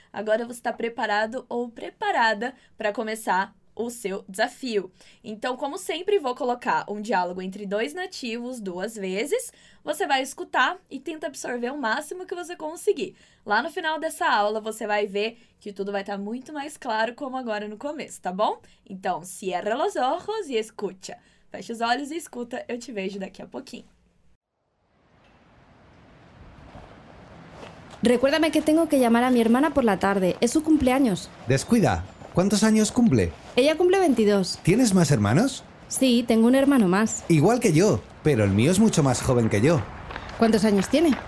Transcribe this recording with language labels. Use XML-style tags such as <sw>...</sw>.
<pt>Agora você está preparado ou preparada para começar o seu desafio. Então, como sempre, vou colocar um diálogo entre dois nativos duas vezes. Você vai escutar e tenta absorver o máximo que você conseguir. Lá no final dessa aula, você vai ver que tudo vai estar muito mais claro como agora no começo, tá bom?</pt> <es>Então, cierra los ojos y escucha.</es> <pt>Fecha os olhos e escuta, eu te vejo daqui a pouquinho.</pt> <es>Recuérdame que tengo que llamar a mi hermana por la tarde. Es su cumpleaños. Descuida, ¿cuántos años cumple? Ella cumple 22. ¿Tienes más hermanos? Sí, tengo un hermano más. Igual que yo, pero el mío es mucho más joven que yo. ¿Cuántos años tiene?</es>